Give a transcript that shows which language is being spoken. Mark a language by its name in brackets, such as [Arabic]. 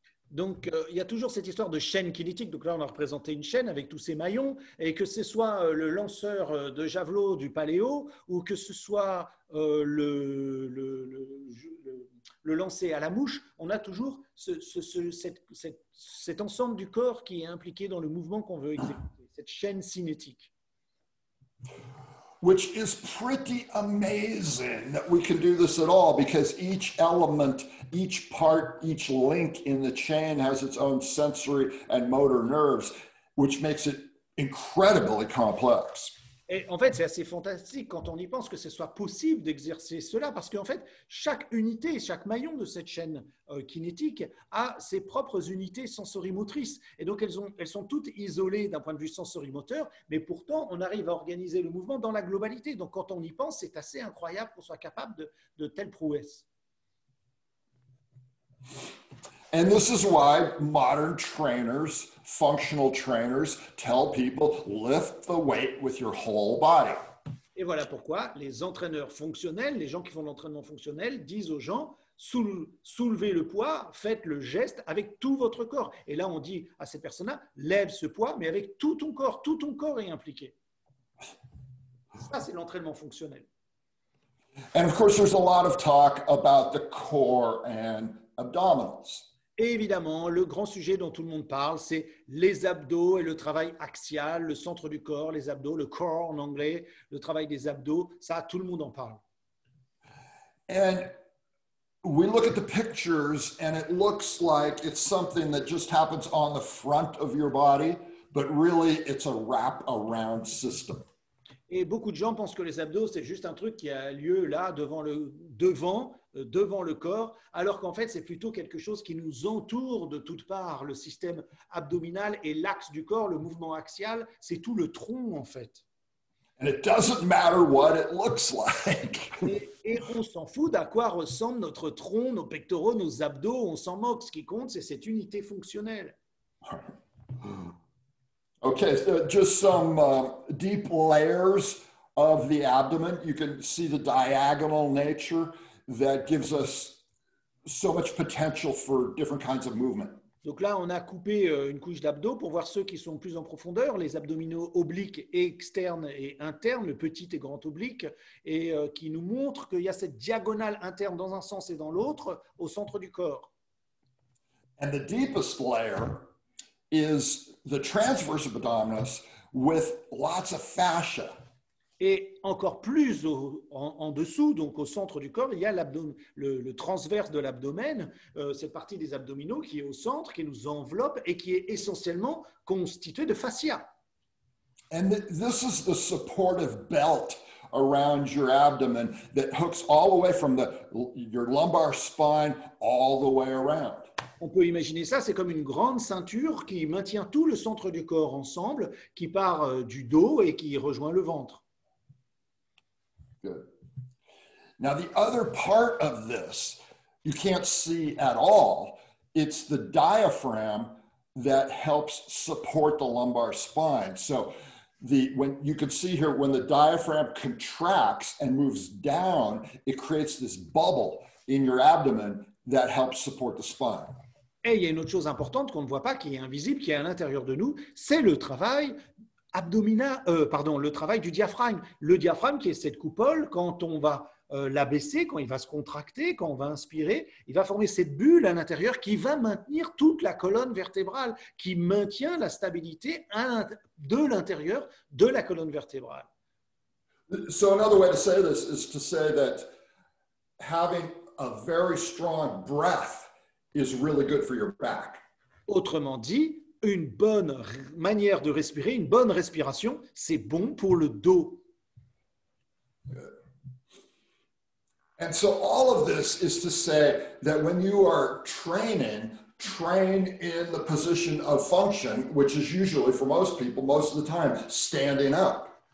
[French] Donc, il y a toujours cette histoire de chaîne kinétique. Donc là, on a représenté une chaîne avec tous ses maillons. Et que ce soit le lanceur de javelot du paléo ou que ce soit le lancer à la mouche, on a toujours cet ensemble du corps qui est impliqué dans le mouvement qu'on veut exécuter, cette chaîne cinétique. [English] Which is pretty amazing that we can do this at all, because each element, each part, each link in the chain has its own sensory and motor nerves, which makes it incredibly complex. [French] Et en fait, c'est assez fantastique quand on y pense que ce soit possible d'exercer cela, parce qu'en fait, chaque unité, chaque maillon de cette chaîne kinétique a ses propres unités sensorimotrices. Et donc, elles sont toutes isolées d'un point de vue sensorimoteur, mais pourtant, on arrive à organiser le mouvement dans la globalité. Donc, quand on y pense, c'est assez incroyable qu'on soit capable de telles prouesses. [English] And this is why modern trainers, functional trainers, tell people lift the weight with your whole body. [French] Et voilà pourquoi les entraîneurs fonctionnels, les gens qui font l'entraînement fonctionnel, disent aux gens soulevez le poids, faites le geste avec tout votre corps. Et là, on dit à ces personnes-là, lève ce poids, mais avec tout ton corps est impliqué. Ça, c'est l'entraînement fonctionnel. [English] And of course, there's a lot of talk about the core and abdominals. [French] Et évidemment, le grand sujet dont tout le monde parle, c'est les abdos et le travail axial, le centre du corps, les abdos, le core en anglais, le travail des abdos, ça, tout le monde en parle. [English] And we look at the pictures and it looks like it's something that just happens on the front of your body, but really it's a wrap-around system. [French] Et beaucoup de gens pensent que les abdos, c'est juste un truc qui a lieu là, devant le corps, alors qu'en fait, c'est plutôt quelque chose qui nous entoure de toutes parts, le système abdominal et l'axe du corps, le mouvement axial, c'est tout le tronc, en fait. [English] And it doesn't matter what it looks like. [French] Et on s'en fout d'à quoi ressemble notre tronc, nos pectoraux, nos abdos, on s'en moque. Ce qui compte, c'est cette unité fonctionnelle. [English] Okay, so just some deep layers of the abdomen. You can see the diagonal nature that gives us so much potential for different kinds of movement. [French] Donc là, on a coupé une couche d'abdos pour voir ceux qui sont plus en profondeur, les abdominaux obliques et externes et internes, le petit et grand oblique, et qui nous montre qu'il y a cette diagonale interne dans un sens et dans l'autre au centre du corps. [English] And the deepest layer is the transverse abdominis with lots of fascia. [French] Et encore plus en dessous, donc au centre du corps, il y a le transverse de l'abdomen, cette partie des abdominaux qui est au centre, qui nous enveloppe et qui est essentiellement constituée de fascia. [English] And this is the supportive belt around your abdomen that hooks all the way from your lumbar spine all the way around. [French] On peut imaginer ça, c'est comme une grande ceinture qui maintient tout le centre du corps ensemble, qui part du dos et qui rejoint le ventre. [English] Good. Now the other part of this, you can't see at all, it's the diaphragm that helps support the lumbar spine. So when you can see here, when the diaphragm contracts and moves down, it creates this bubble in your abdomen that helps support the spine. [French] Et il y a une autre chose importante qu'on ne voit pas, qui est invisible, qui est à l'intérieur de nous, c'est le travail le travail du diaphragme. Le diaphragme qui est cette coupole, quand on va l'abaisser, quand il va se contracter, quand on va inspirer, il va former cette bulle à l'intérieur qui va maintenir toute la colonne vertébrale, qui maintient la stabilité de l'intérieur de la colonne vertébrale. [English] So another way to say this is to say that having a very strong breath is really good for your back. [French] Autrement dit, une bonne manière de respirer, une bonne respiration, c'est bon pour le dos. [English] Good. And so all of this is to say that when you are training, train in the position of function, which is usually for most people, most of the time, standing up.